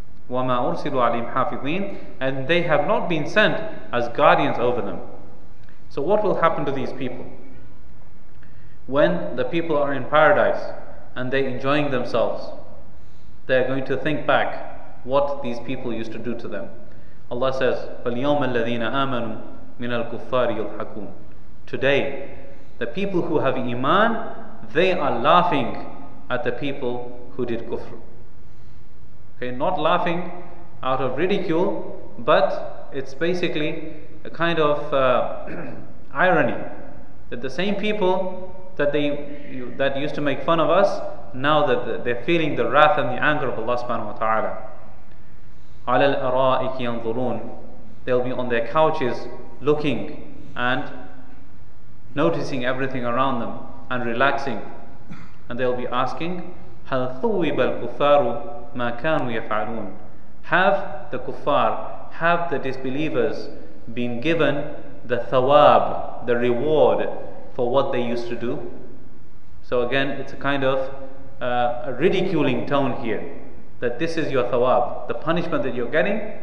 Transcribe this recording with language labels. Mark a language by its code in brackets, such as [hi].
[ar] وَمَا أُرْسِلُوا عَلِيمْ حَافِظِينَ. [en] And they have not been sent as guardians over them. So what will happen to these people? When the people are in paradise and they're enjoying themselves, they're going to think back what these people used to do to them. Allah says, [ar] فَالْيَوْمَ الَّذِينَ آمَنُوا مِنَ الْكُفَّارِ يُلْحَكُونَ. [en] Today, the people who have iman, they are laughing at the people who did kufr. Okay, not laughing out of ridicule, but it's basically a kind of irony that the same people that used to make fun of us, now that they're feeling the wrath and the anger of Allah subhanahu wa ta'ala. [ar] عَلَى الْأَرَائِكِ يَنْظُرُونَ. [en] They'll be on their couches looking and noticing everything around them and relaxing. And they'll be asking, [ar] هَلْ ثُوِّبَ الْكُفَّارُ مَا كَانُوا يَفْعَلُونَ. [en] Have the kuffar, have the disbelievers been given the thawab, the reward for what they used to do? So again, it's a kind of a ridiculing tone here, that this is your thawab, the punishment that you're getting.